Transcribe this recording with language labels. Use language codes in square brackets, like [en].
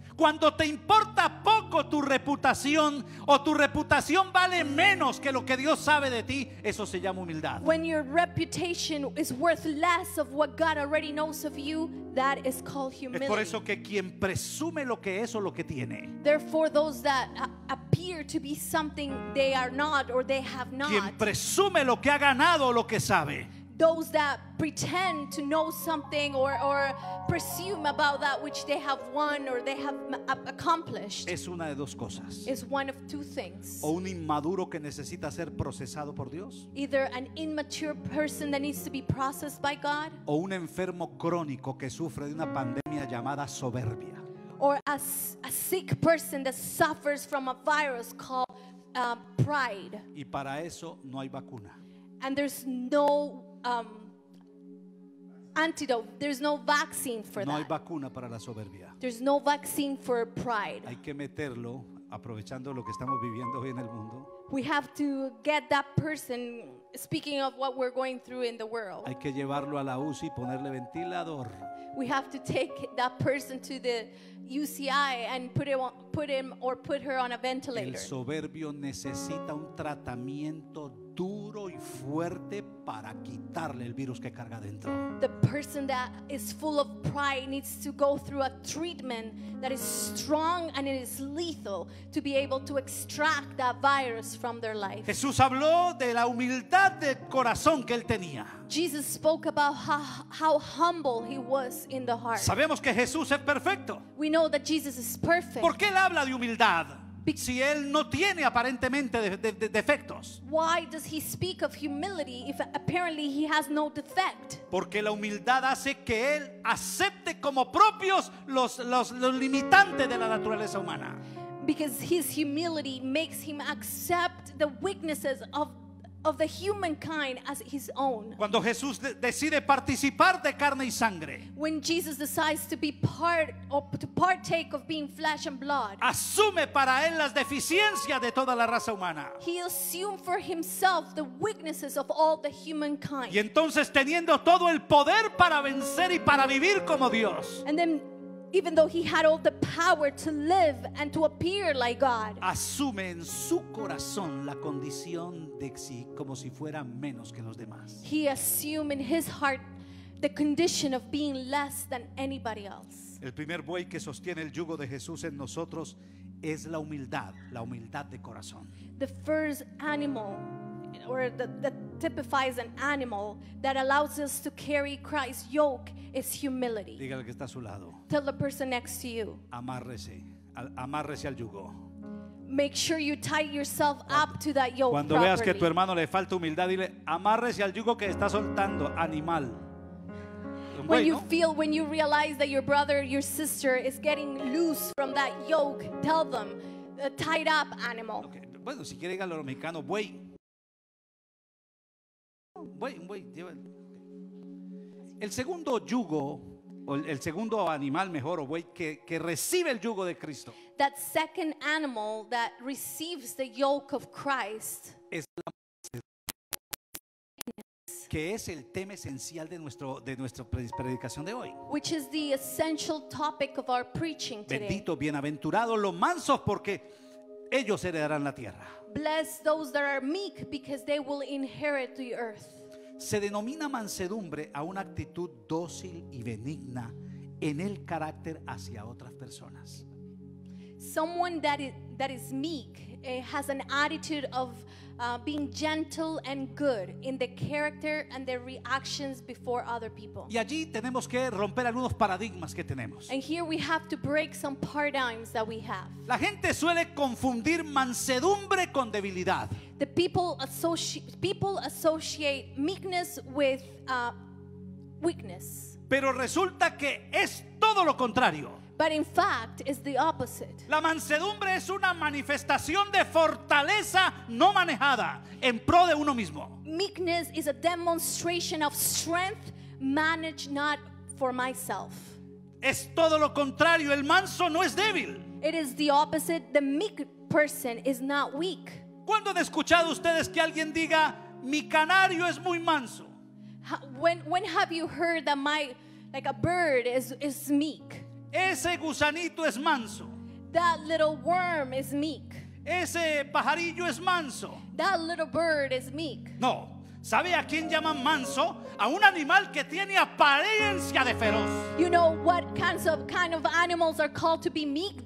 [es] Cuando te importa poco tu reputación o tu reputación vale menos que lo que Dios sabe de ti, eso se llama humildad. [en] When your reputation is worth less of what God already knows of you, that is called humility. [es] Es por eso que quien presume lo que es o lo que tiene. [en] Therefore, those that appear to be something they are not or they have not. [es] Quien presume lo que ha ganado o lo que sabe. [en] Those that pretend to know something or presume about that which they have won or they have accomplished. [es] Es una de dos cosas. [en] Is one of two things. [es] O un inmaduro que necesita ser procesado por Dios. [en] Either an immature person that needs to be processed by God. [es] O un enfermo crónico que sufre de una pandemia llamada soberbia. [en] Or a sick person that suffers from a virus called pride. [es] Y para eso no hay vacuna. [en] And there's no antidote. There's no vaccine for that. [es] No hay vacuna para la soberbia. [en] There's no vaccine for pride. [es] Hay que meterlo, aprovechando lo que estamos viviendo hoy en el mundo. [en] We have to get that person, speaking of what we're going through in the world. [es] Hay que llevarlo a la UCI y ponerle ventilador. [en] We have to take that person to the UCI and put him or put her on a ventilator. [es] El soberbio necesita un tratamiento duro y fuerte para quitarle el virus que carga dentro. [en] The person that is full of pride needs to go through a treatment that is strong and it is lethal to be able to extract that virus from their life. [es] Jesús habló de la humildad de corazón que él tenía. [en] Jesus spoke about how humble he was in the heart. [es] Sabemos que Jesús es perfecto. [en] We know that Jesus is perfect. [es] ¿Por qué él habla de humildad? Si él no tiene aparentemente defectos. [en] Why does he speak of humility if apparently he has no defect? [es] Porque la humildad hace que él acepte como propios los limitantes de la naturaleza humana. [en] Because his humility makes him accept the weaknesses of the humankind as his own. [es] Cuando Jesús decide participar de carne y sangre, [en] when Jesus decides to be part or to partake of being flesh and blood, [es] asume para él las deficiencias de toda la raza humana. [en] He assumed for himself the weaknesses of all the humankind. [es] Y entonces teniendo todo el poder para vencer y para vivir como Dios, [en] and then even though he had all the power to live and to appear like God, [es] asume en su corazón la condición de sí como si fuera menos que los demás. [en] He assumed in his heart the condition of being less than anybody else. [es] El primer buey que sostiene el yugo de Jesús en nosotros es la humildad de corazón. [en] The first animal, or that typifies an animal that allows us to carry Christ's yoke, is humility. [es] Dígale que está a su lado. [en] Tell the person next to you. [es] Amárrese, amárrese al yugo. [en] Make sure you tie yourself up to that yoke. [es] Cuando [en] properly. [es] Veas que tu hermano le falta humildad, dile, amárrese al yugo que está soltando, animal. [en] When you feel, when you realize that your brother, your sister is getting loose from that yoke, tell them, tied up animal. Okay. [es] Bueno, si quiere dígalo a los mexicanos, buey. Buey. El segundo yugo, o el segundo animal mejor, o buey, que recibe el yugo de Cristo. [en] That second animal that receives the yoke of Christ. [es] Es la que es el tema esencial de nuestra predicación de hoy. [en] Which is the essential topic of our preaching today. [es] Bendito, bienaventurado los mansos porque ellos heredarán la tierra. [en] Bless those that are meek because they will inherit the earth. [es] Se denomina mansedumbre a una actitud dócil y benigna en el carácter hacia otras personas. [en] Someone that is meek, it has an attitude of being gentle and good in the character and their reactions before other people. [es] Y allí tenemos que romper algunos paradigmas que tenemos. [en] And here we have to break some paradigms that we have. [es] La gente suele confundir mansedumbre con debilidad. [en] The people associate meekness with weakness. [es] Pero resulta que es todo lo contrario. [en] But in fact, it's the opposite. [es] La mansedumbre es una manifestación de fortaleza no manejada en pro de uno mismo. [en] Meekness is a demonstration of strength managed not for myself. [es] Es todo lo contrario, el manso no es débil. [en] It is the opposite, the meek person is not weak. [es] ¿Cuándo han escuchado ustedes que alguien diga, mi canario es muy manso? [en] When have you heard that my, like a bird is meek? [es] Ese gusanito es manso. [en] That little worm is meek. [es] Ese pajarillo es manso. [en] That little bird is meek. [es] No, ¿sabe a quién llaman manso? A un animal que tiene apariencia de feroz. [en] You know what kind of animals are called to be meek?